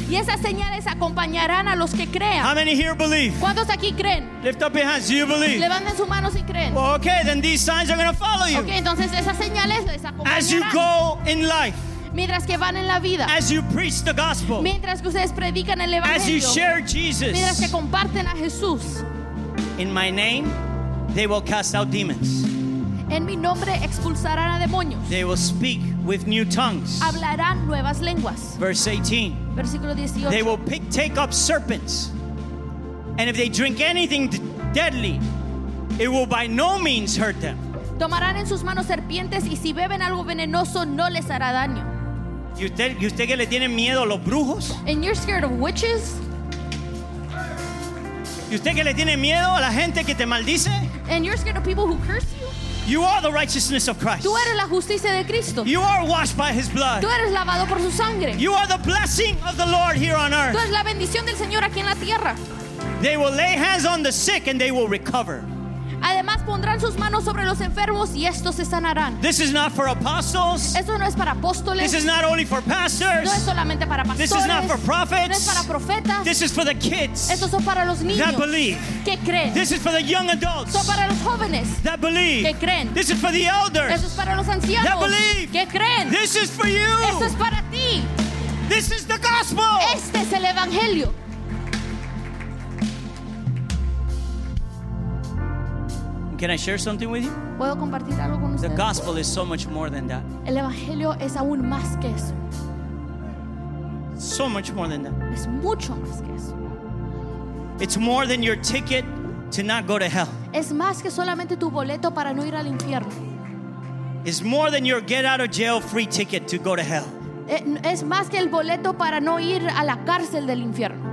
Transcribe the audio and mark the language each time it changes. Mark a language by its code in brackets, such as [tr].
[es] Y esas señales acompañarán a los que crean. [en] How many here believe? [es] ¿Cuántos aquí creen? [en] Lift up your hands. Do you believe? [es] Levanten sus manos y creen. [en] Well, okay, then these signs are going to follow you. [es] Okay, entonces esas señales les acompañarán. [en] As you go in life. [es] Mientras que van en la vida, [en] as you preach the gospel, [es] mientras que ustedes predican el evangelio, [en] as you share Jesus, [es] mientras que comparten a Jesús, [en] in my name, they will cast out demons. [es] En mi nombre expulsarán a demonios. [en] They will speak with new tongues. [es] Hablarán nuevas lenguas. [en] Verse 18. [es] Versículo 18. [en] They will take up serpents, and if they drink anything deadly, it will by no means hurt them. [es] Tomarán en sus manos serpientes y si beben algo venenoso no les hará daño. ¿Y usted que le tiene miedo a los brujos? [en] And you're scared of witches? [es] ¿Y usted que le tiene miedo a la gente que te maldice? [en] And you're scared of people who curse you? You are the righteousness of Christ. [es] Tú eres la justicia de Cristo. [en] You are washed by His blood. [es] Tú eres lavado por su sangre. [en] You are the blessing of the Lord here on earth. [es] Tú eres la bendición del Señor aquí en la tierra. [en] They will lay hands on the sick and they will recover. [es] Además pondrán sus manos sobre los enfermos y estos se sanarán. [en] This is not for apostles. [es] Esto no es para apóstoles. [en] This is not only for pastors. [es] No es solamente para pastores. [en] This is not for prophets. [es] No es para profetas. [en] This is for the kids. [es] Estos son para los niños. [en] That believe. [es] Que creen. [en] This is for the young adults. [es] Son para los jóvenes. [en] That believe. [es] Que creen. [en] This is for the elders. [es] Esto es para los ancianos. [en] That believe. [es] Que creen. [en] This is for you. [es] Esto es para ti. [en] This is the gospel. [es] Este es el evangelio. [en] Can I share something with you? [es] ¿Puedo compartir algo con ustedes? [en] The gospel is so much more than that. [es] El evangelio es aún más que eso. [en] So much more than that. [es] Es mucho más que eso. [en] It's more than your ticket to not go to hell. [es] Es más que solamente tu boleto para no ir al infierno. [en] It's more than your get out of jail free ticket to go to hell. [es] Es más que el boleto para no ir a la cárcel del infierno.